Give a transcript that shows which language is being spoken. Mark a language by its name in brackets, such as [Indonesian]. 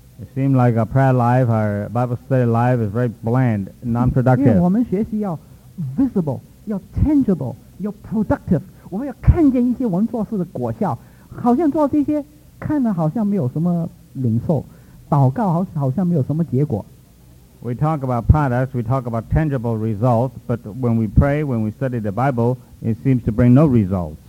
[English] It seems like our prayer life, our Bible study life is very bland, non-productive. [Chinese] 因为我们学习要 visible, 要 tangible, 要 productive. 我们要看见一些我们做事的果效。好像做这些看了好像没有什么领受，祷告好像没有什么结果。 [English] We talk about products, we talk about tangible results, but when we pray, when we study the Bible, it seems to bring no results.